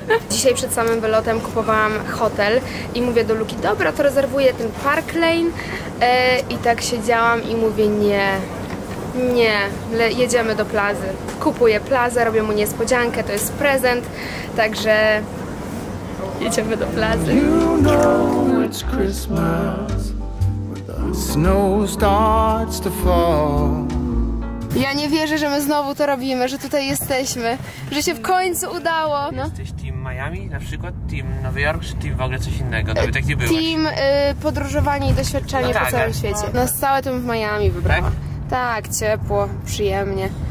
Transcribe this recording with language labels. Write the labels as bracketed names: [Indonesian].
[Polish] Dzisiaj przed samym wylotem kupowałam hotel i mówię do Luki, dobra, to rezerwuję ten Park Lane. I tak siedziałam i mówię, nie, jedziemy do Plazy. Kupuję Plazę, robię mu niespodziankę, to jest prezent, także jedziemy do Plazy. [English] You know it's Christmas, when the snow starts to fall. [Polish] Ja nie wierzę, że my znowu to robimy, że tutaj jesteśmy, że się w końcu udało. No. Jesteś team Miami na przykład, team Nowy Jork, czy team w ogóle coś innego, nawet jak nie byłeś? Team podróżowanie i doświadczenie, no tak, po całym świecie. No, na stałe to w Miami wybrałam. Tak? Tak, ciepło, przyjemnie.